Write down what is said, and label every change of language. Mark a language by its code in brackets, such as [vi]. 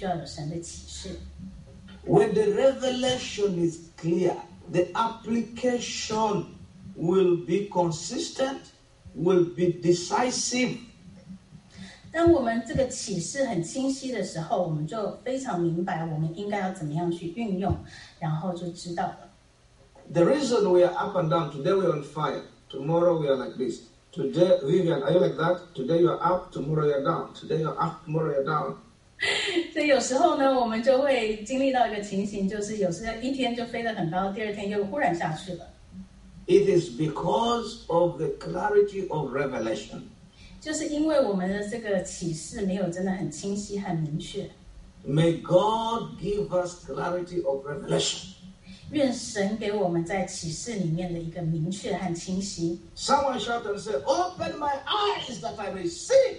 [zh] 就是我们要很这样子的清晰有关灵里面的事情，我们就必须要有神的启示。 [en] When the revelation is clear, the application will be consistent, will be decisive. [zh] 当我们这个启示很清晰的时候，我们就非常明白我们应该要怎么样去运用，然后就知道了。 [en] The reason we are up and down, today we are on fire, tomorrow we are like this. Today, Vivian, are you like that? Today you are up, tomorrow you are down. Today you are up, tomorrow you are down. [zh] 所以有时候呢，我们就会经历到一个情形，就是有时候一天就飞得很高，第二天又忽然下去了。 [en] It is because of the clarity of revelation. [zh] 就是因为我们的这个启示没有真的很清晰、很明确。 [en] May God give us clarity of revelation. [zh] 愿神给我们在启示里面的一个明确和清晰。 [en] Someone shout and say, "Open my eyes that I may see."